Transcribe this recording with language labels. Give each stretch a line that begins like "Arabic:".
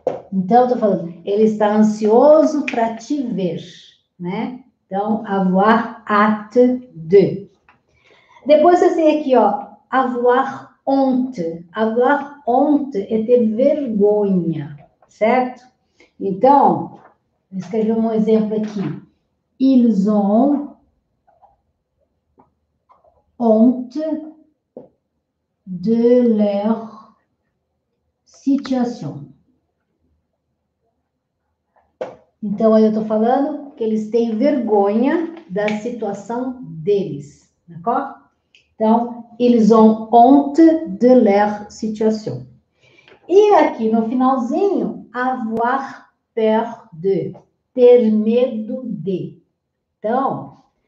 Portuguese: Então, eu tô falando, ele está ansioso para te ver, né? Então, avoir hâte de. Depois você tem aqui, ó, avoir honte, avoir honte é ter vergonha, certo? Então, escrevi um exemplo aqui.
French: Ils ont honte de leur situation.
Portuguese: Então, aí eu tô falando que eles têm vergonha da situação deles, d'accord?
French: Então, ils ont honte de leur situation.
Portuguese: E aqui no finalzinho, avoir peur de, ter medo de. Então,